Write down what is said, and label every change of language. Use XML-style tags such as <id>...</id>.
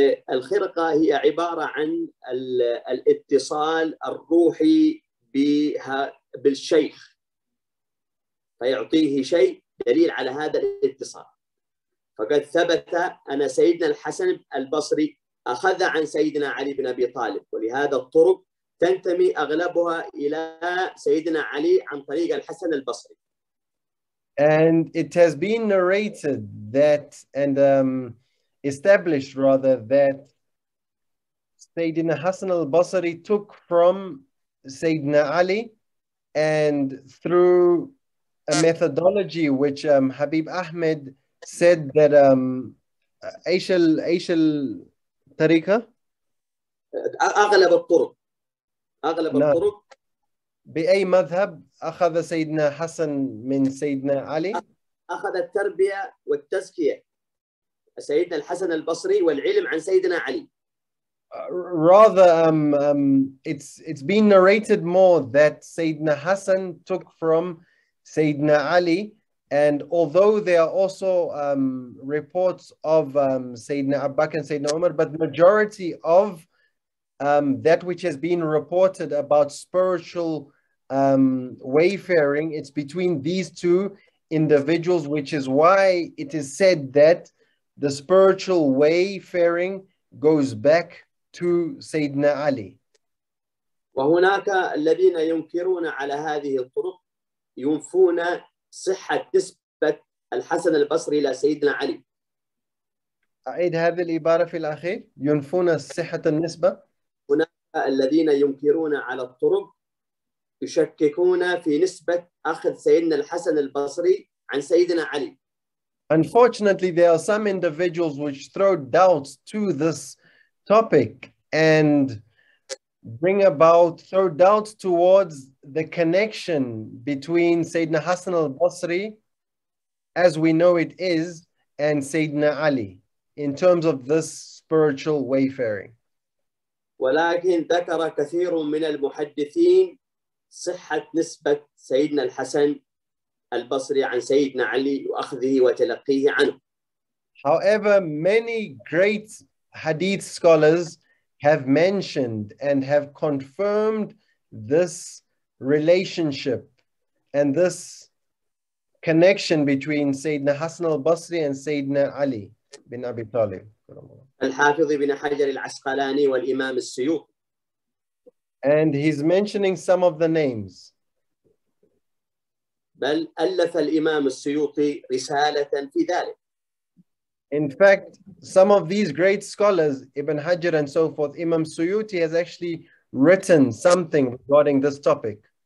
<ar>الخرقة هي عبارة عن الاتصال الروحي بها بالشيخ فيعطيه شيء دليل على هذا الاتصال فقد ثبت أن سيدنا الحسن البصري أخذ عن سيدنا علي بن أبي طالب ولهذا الطرق تنتمي أغلبها إلى سيدنا علي عن طريق الحسن البصري.</ar> <en>And it has been narrated that and established rather that Sayyidina Hassan al-Basri took from Sayyidina Ali and through a methodology which Habib Ahmed said that Aishal Tariqa?</en> <ar>أغلب الطرق أغلب الطرق بأي مذهب أخذ سيدنا حسن من سيدنا علي؟ أخذ التربية والتزكية سيدنا الحسن البصري والعلم عن سيدنا علي.</ar> <en>Rather, it's been narrated more that سيدنا حسن took from سيدنا علي, and although there are also reports of سيدنا أباك and سيدنا عمر, but majority of that which has been reported about spiritual wayfaring, it's between these two individuals, which is why it is said that the spiritual wayfaring goes back to Sayyidina Ali.</en> <ar>وهناك الذين ينكرون على هذه الطرق ينفون صحة نسبة الحسن البصري إلى سيدنا علي. أعيد هذه العبارة في الأخير. ينفون صحة النسبة. هناك الذين ينكرون على الطرق يشككون في نسبة أخذ سيدنا الحسن البصري عن سيدنا علي.</ar> <en>Unfortunately, there are some individuals which throw doubts to this topic and bring about, throw doubts towards the connection between Sayyidina Hassan al-Basri, as we know it is, and Sayyidina Ali, in terms of this spiritual wayfaring.</en> <ar>ولكن ذكر كثير من المحدثين صحة نسبة سيدنا الحسن البصري عن سيدنا علي وأخذه وتلقيه عنه.</ar> <en>However, many great hadith scholars have mentioned and have confirmed this relationship and this connection between سيدنا حسن البصري and سيدنا علي بن أبي طالب.</en> <ar>الحافظ بن حجر العسقلاني والإمام السيوط.</ar> <en>And he's mentioning some of the names.</en> <ar>بل ألف الإمام السيوطي رسالة في ذلك.</ar> <en>In fact, some of these great scholars, Ibn Hajar and so forth, Imam Suyuti has actually written something regarding this topic.</en>